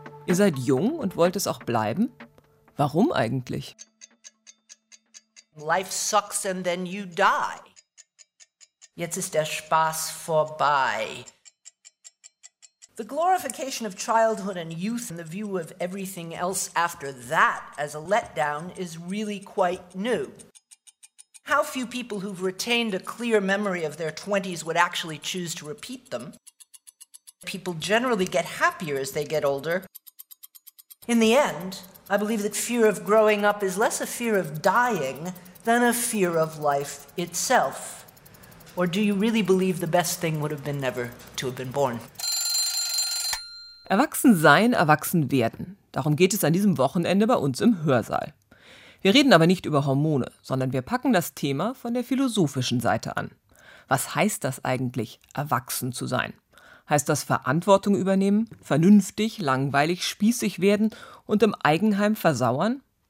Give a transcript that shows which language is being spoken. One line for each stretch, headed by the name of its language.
German: Ihr seid jung und wollt es auch bleiben? Warum eigentlich?
English: Life sucks and then you die.
German: Jetzt ist der Spaß vorbei.
English: The glorification of childhood and youth in the view of everything else after that as a letdown is really quite new. How few people who've retained a clear memory of their 20s would actually choose to repeat them. People generally get happier as they get older. In the end, I believe that fear of growing up is less a fear of dying than a fear of life itself. Or do you really believe the best thing would have been never to have been born?
German: Erwachsen sein, erwachsen werden. Darum geht es an diesem Wochenende bei uns im Hörsaal. Wir reden aber nicht über Hormone, sondern wir packen das Thema von der philosophischen Seite an. Was heißt das eigentlich, erwachsen zu sein? Heißt das Verantwortung übernehmen, vernünftig, langweilig, spießig werden und im Eigenheim versauern?